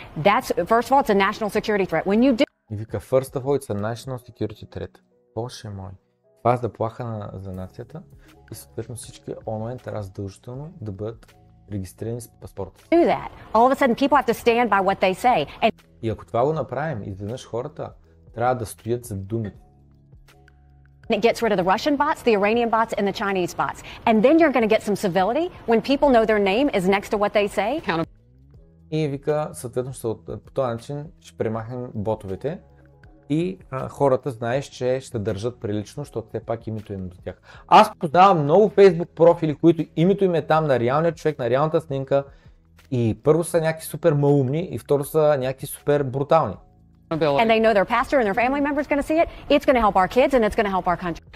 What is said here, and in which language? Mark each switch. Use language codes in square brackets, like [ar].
[en] That's first of all, it's a national security threat. When you do... [bg] И вика, [en] first of all, it's a national security threat. [bg] Боже мой, това е заплаха на, за нацията и съответно всички онлайн трябва задължително да бъдат регистрирани с паспорта. [en] Do that. All of a sudden people have to stand by what they say. And... [bg] И ако това го направим, изведнъж хората трябва да стоят за думите. [en] It gets rid of the Russian bots, the Iranian bots, and the Chinese bots. And then you're going to get some civility when people know their name is next to what they say. [bg] И вика, съответно, по този начин ще премахнем ботовете и хората знаеш, че ще държат прилично, защото те пак името им до тях. Аз познавам много Facebook профили, които името им е там на реалния човек, на реалната снимка и първо са някакви супер малумни и второ са някакви супер брутални. [en] And they know their pastor and their family members going to see it. It's going to help our kids and it's going to help our country.